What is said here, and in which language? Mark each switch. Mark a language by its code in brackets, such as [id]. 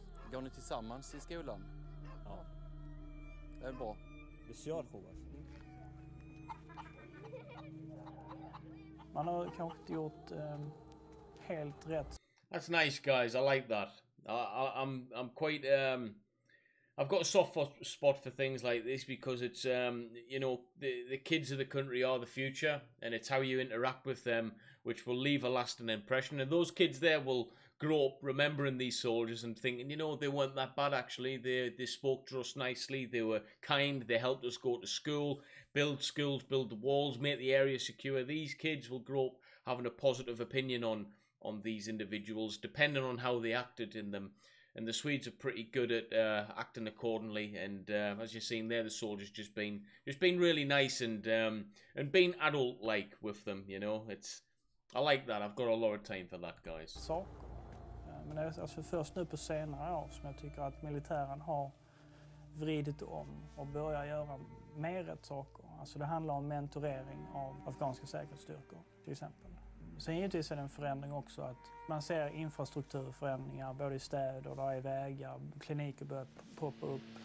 [sv] Ja. Går ni tillsammans i skolan? Ja. Det är bra. Besjör, Hovas. Man har kanske inte gjort helt rätt. [en] That's nice, guys. I like that. I'm quite... I've got a soft spot for things like this because it's, you know, the kids of the country are the future, and it's how you interact with them which will leave a lasting impression. And those kids there will grow up remembering these soldiers and thinking, you know, they weren't that bad, actually. They spoke to us nicely. They were kind. They helped us go to school, build schools, build the walls, make the area secure. These kids will grow up having a positive opinion on these individuals, depending on how they acted in them. And the Swedes are pretty good at acting accordingly. And as you're seeing there, the soldiers just been really nice and being adult-like with them, you know. It's, I like that. I've got a lot of time for that, guys. [sv] So, men det är alltså först nu på senare år som jag tycker att militären har vridit om och börjar göra mer rätt saker. Alltså det handlar om mentorering av afghanska säkerhetsstyrkor, till exempel. Sen givetvis är det en förändring också att man ser infrastrukturförändringar både i städer och där är vägar, kliniker börjar poppa upp.